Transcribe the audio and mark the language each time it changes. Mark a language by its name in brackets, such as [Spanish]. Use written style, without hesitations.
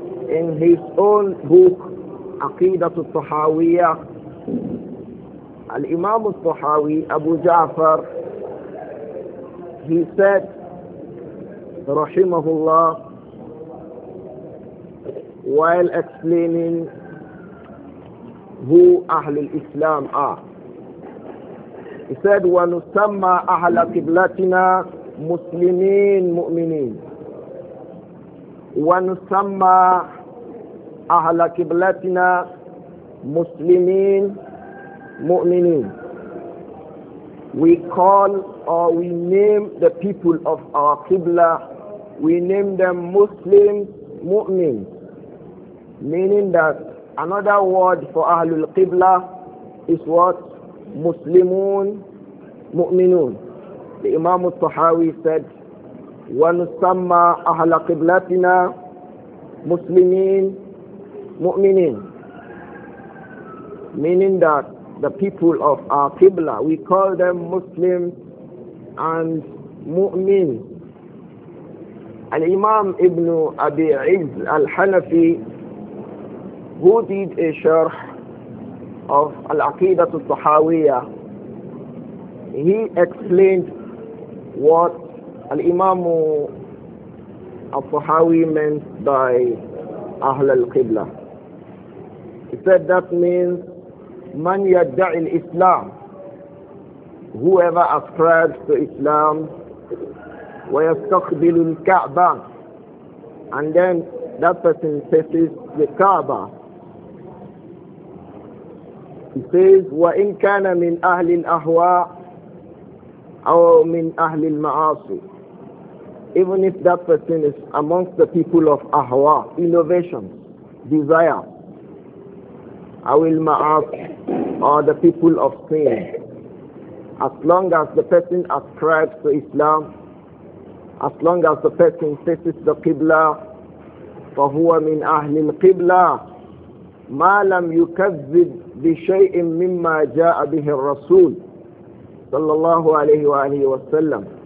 [English] In his own book, Aqidatul al-Tahawiyya, Al-Imam al-Tahawi, Abu Ja'far, he said, Rahimahullah, while explaining who Ahlul Islam are. He said, [Arabic] وَنُسَمَّى أَهْلَ قِبْلَتِنَا مُسْلِمِينَ مُؤْمِنِينَ وَنُسَمَّى أَهْلَ قِبْلَتِنَا مُسْلِمِينَ مُؤْمِنِينَ. [English] We call or we name the people of our Qibla, we name them Muslims, Mu'mins. Meaning that another word for Ahlul Qibla is what? [Arabic] Muslimun, Mu'minun. [English] The Imam al-Tahawi said, [Arabic] وَنُسَمَّى أَهْلَ قِبْلَتِنَا مُسْلِمِينَ مُؤْمِنِينَ. [English] Meaning that the people of our Qibla, we call them Muslims and Mu'min. Al-Imam Ibn Abi Izz al-Hanafi, who did a sharh of Al-Aqidah al-Tahawiyya, he explained what Al-Imam al-Tahawi meant by Ahl al-Qibla. He said that means [Arabic] man yadda'i al-Islam, [English] whoever ascribes to Islam, [Arabic] wa yastaqbilu al-Ka'ba, [English] and then that person faces the Ka'ba. He says, [Arabic] وَإِنْ كَانَ مِنْ أَهْلِ الْأَهْوَاءِ أَوْ مِنْ أَهْلِ الْمَعَاصِ. [English] Even if that person is amongst the people of ahwa, innovation, desire, [Arabic] أَوْ الْمَعَاصِ, [English] or the people of sin, as long as the person ascribes to Islam, as long as the person faces the Qibla, [Arabic] فَهُوَ مِنْ أَهْلِ الْقِبْلَى مَا لَمْ يُكَذِّبْ بِشَيْءٍ مِمَّا جَاءَ بِهِ الرَّسُولِ صلى الله عليه وآله وسلم.